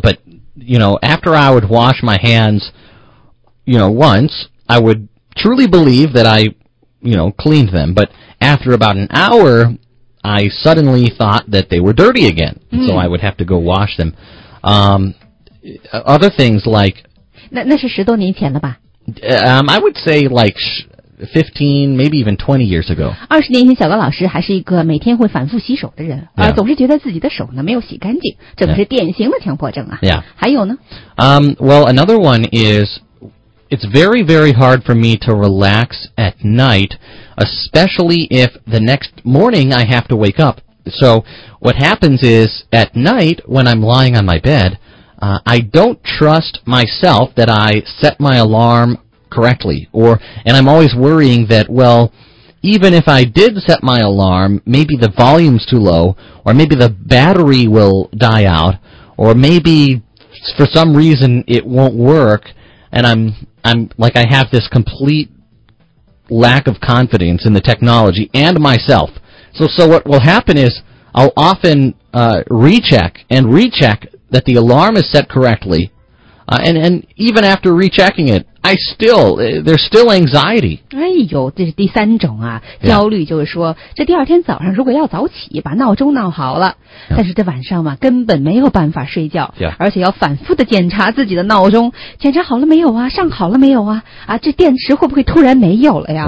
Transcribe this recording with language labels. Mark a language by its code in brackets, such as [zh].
[en] But, you know, after I would wash my hands, you know, once, I would truly believe that I cleaned them, but after about an hour, I suddenly thought that they were dirty again, so I would have to go wash them. Other things like... [zh] 那是十多年前了吧？ [en] I would say like 15, maybe even 20 years ago. [zh] 二十年前小高老师还是一个每天会反复洗手的人，总是觉得自己的手呢没有洗干净，这可是典型的强迫症啊。 [en] Yeah. [zh] 还有呢？ [en] Well, another one is... It's very, very hard for me to relax at night, especially if the next morning I have to wake up. So what happens is at night when I'm lying on my bed, I don't trust myself that I set my alarm correctly. And I'm always worrying that, well, even if I did set my alarm, maybe the volume's too low, or maybe the battery will die out, or maybe for some reason it won't work, and I'm like, I have this complete lack of confidence in the technology and myself. So what will happen is I'll often, recheck that the alarm is set correctly. And even after rechecking it, I still, there's still anxiety. [zh] 哎呦，这是第三种啊，焦虑就是说，这第二天早上如果要早起，把闹钟闹好了，但是这晚上嘛，根本没有办法睡觉，而且要反复的检查自己的闹钟，检查好了没有啊，上好了没有啊，啊，这电池会不会突然没有了呀？